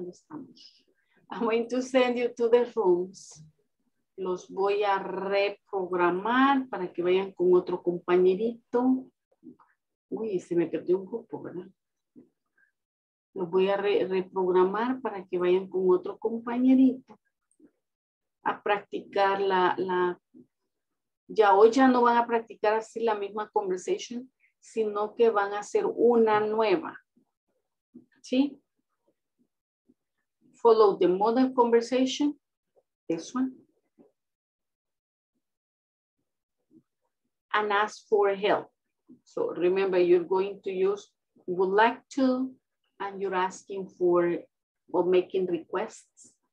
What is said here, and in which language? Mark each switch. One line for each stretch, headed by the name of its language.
English: I'm going to send you to the rooms.
Spanish: Los voy a reprogramar para que vayan con otro compañerito. Uy, se me perdió un grupo, ¿verdad? Los voy a reprogramar para que vayan con otro compañerito a practicar la... Ya hoy ya no van a practicar así la misma conversation, sino que van a hacer una nueva. ¿Sí?
English: Follow the modern conversation, this one, and ask for help. So remember, you're going to use would like to, and you're asking for or making requests.